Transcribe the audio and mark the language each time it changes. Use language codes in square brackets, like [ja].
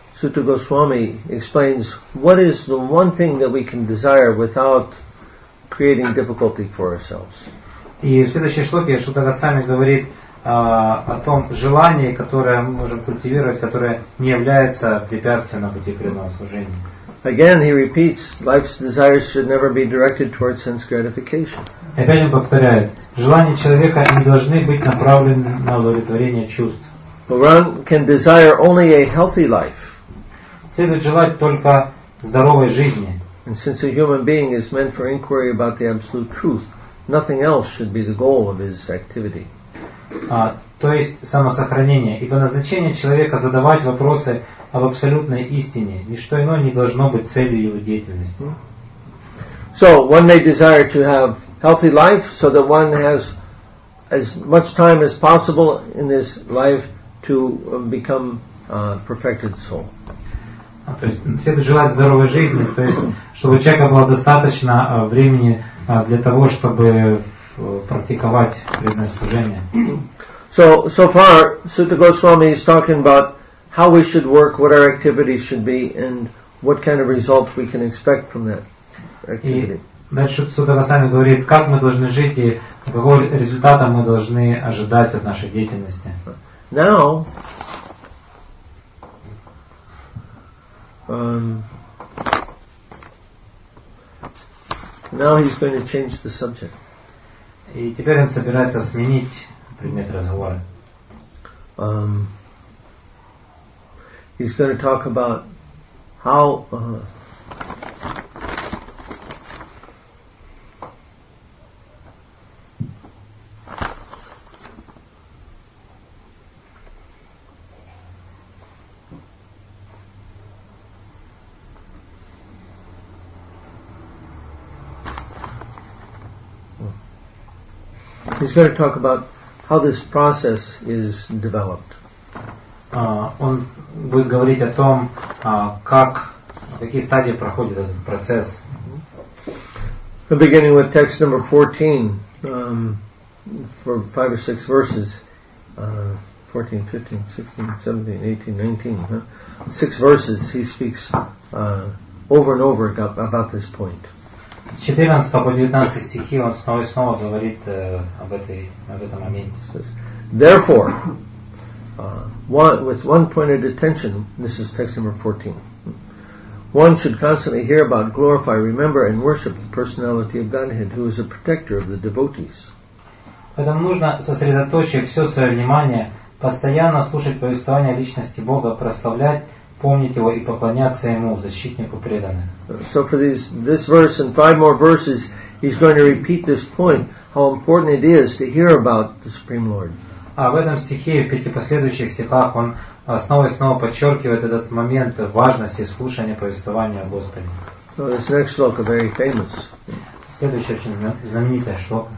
[en] Sutta Goswami explains what is the one thing that we can desire without creating difficulty for ourselves. [ru] И в следующей шлоке Шута Госвами говорит о том желании, которое мы можем культивировать, которое не является препятствием на пути преданного служения. [en] Again, he repeats, life's desires should never be directed towards sense gratification. [ru] Опять он повторяет, желания человека не должны быть направлены на удовлетворение чувств. [en] One can desire only a healthy life. [ru] Следует желать только здоровой жизни. [en] And since a human being is meant for inquiry about the absolute truth, nothing else should be the goal of his activity. [ru] То есть самосохранение. Ибо назначение человека задавать вопросы об абсолютной истине. Ничто иное не должно быть целью его деятельности. [en] So one may desire to have healthy life, so that one has as much time as possible in this life to become a perfected soul. [ru] То есть следует желать здоровой жизни, то есть чтобы у человека было достаточно времени для того, чтобы практиковать преданное служение. [en] So far, Sutta Goswami is talking about how we should work, what our activities should be, and what kind of results we can expect from that activity. [ru] И дальше Sutta Goswami говорит, как мы должны жить и какого результата мы должны ожидать от нашей деятельности. [en] Now. Now he's going to change the subject. [ru] И теперь он собирается сменить предмет разговора. [en] He's going to talk about how he's going to talk about how this process is developed. [ru] Он будет говорить о том, как, какие стадии проходит этот процесс. [en] Beginning with text number 14, for 5 or 6 verses, 14, 15, 16, 17, 18, 19, huh? 6 verses, he speaks over and over about this point. [ru] С 14 по 19 стихи он снова и снова говорит об этом моменте. [en] Therefore, with one pointed attention, this is text number 14, one should constantly hear about, glorify, remember and worship the personality of Godhead, who is a protector of the devotees. [ru] Поэтому нужно сосредоточить все свое внимание, постоянно слушать повествование о личности Бога, прославлять, помнить его и поклоняться ему, защитнику преданных. [en] So for this verse and 5 more verses, He's going to repeat this point, how important it is to hear about the Supreme Lord. [ru] А в этом стихе, в пяти последующих стихах, он снова и снова подчеркивает этот момент важности слушания повествования о Господе. [en] So this next shloka very famous. [ru] Следующая очень знаменитая шлока.